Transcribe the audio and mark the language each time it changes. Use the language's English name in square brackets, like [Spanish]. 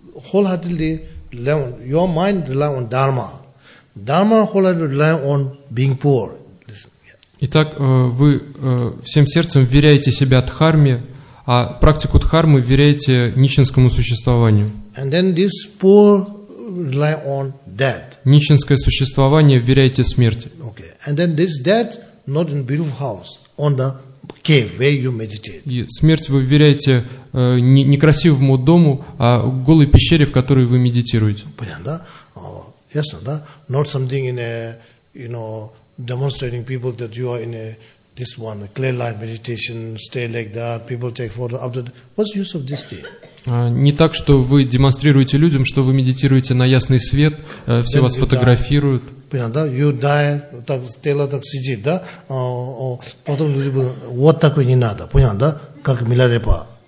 [English] Wholeheartedly rely on your mind rely on dharma. Dharma wholeheartedly rely on being poor. [Russian] Итак, вы всем сердцем вверяете себя дхарме, а практику дхармы вверяете нищенскому существованию. [English] And then this poor rely on death. [Russian] Нищенское существование вверяете смерти. [English] Okay. And then this death not in beautiful house, on the cave where you meditate. [Russian] И смерть вы вверяете не красивому дому, а голой пещере, в которой вы медитируете. Понятно, да? Ясно, да? [English] Not something in a, you know, demonстрating people that you are in a this one clear light meditation stay like that people take photo after that. What's the use of this thing? [Russian] Не так, что вы демонстрируете людям, что вы медитируете на ясный свет, все вас фотографируют. Понятно, да? [English] You die, [Russian] так тело так сидит, да? Потом вот такой не надо, понятно, да? Как Миларепа.